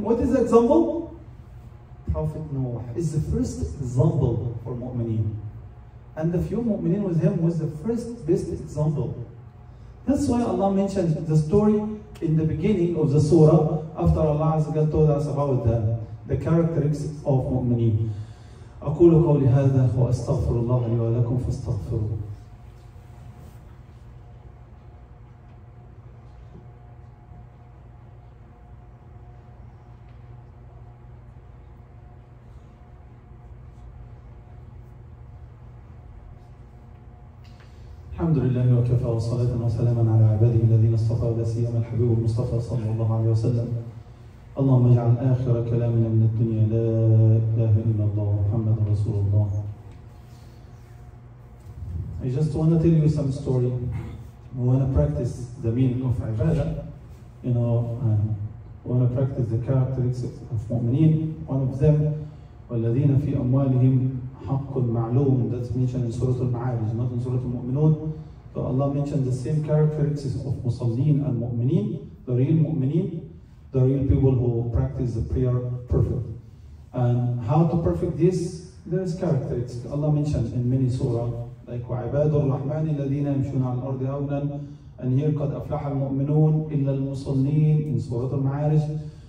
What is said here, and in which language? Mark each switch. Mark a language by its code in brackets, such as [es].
[en] What is the example? Prophet Noah is the first example for mu'minin. And the few mu'minin with him was the first best example. That's why Allah mentioned the story in the beginning of the surah, after Allah Azza wa Jalla told us about the characteristics of mu'minin. [ar] أقول قولي هذا وأستغفر الله لي ولكم فاستغفروه. الحمد لله وكفى وصلاة وسلاما على عباده الذين اصطفى لا سيما الحبيب المصطفى صلى الله عليه وسلم. اللهم اجعل آخر كلامنا من الدنيا لا إله إلا الله محمد رسول الله. [en] I just want to tell you some story. We want to practice the meaning of ibadah. You know, we want to practice the characteristics of mu'minin. One of them, والذين في أموالهم حق معلوم. That's mentioned in Surah Al-Ma'arij, not in Surah Al-Mu'minun. So Allah mentioned the same characteristics of musallin and mu'minin, the real mu'minin. The real people who practice the prayer perfect. And how to perfect this? There is characteristics. Allah mentioned in many surah, like وَعِبَادُ الرَّحْمَنِ الَّذِينَ يَمْشُونَ عَلَى الْأَرْضِ هَوْنًا and here قَدْ أَفْلَحَ الْمُؤْمِنُونَ إِلَّا الْمُصَلِّينَ in Surah Al-Ma'arij.